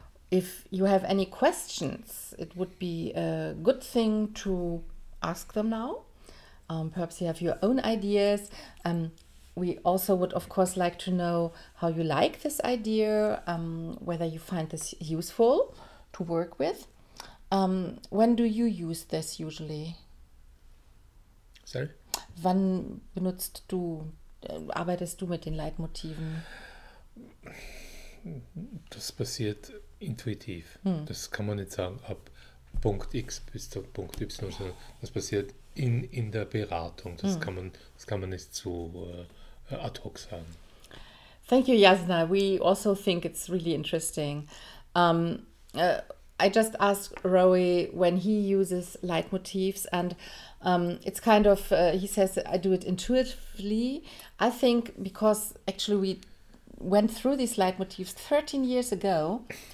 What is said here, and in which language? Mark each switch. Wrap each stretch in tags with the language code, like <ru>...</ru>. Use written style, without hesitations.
<en>If you have any questions, it would be a good thing to ask them now. Perhaps you have your own ideas. We also would, of course, like to know how you like this idea, whether you find this useful to work with. When do you use this usually? Sorry?</en> <de>Wann benutzt du, arbeitest du mit den Leitmotiven? Das passiert... intuitiv. Das kann man nicht sagen, ab Punkt X bis zu Punkt Y, sondern das passiert in der Beratung. Das kann man nicht so ad hoc sagen.</de> <en>Thank you, Jasna. We also think it's really interesting. I just asked Roy when he uses leitmotifs, and it's kind of, he says, I do it intuitively. I think because actually we went through these leitmotifs 13 years ago.</en>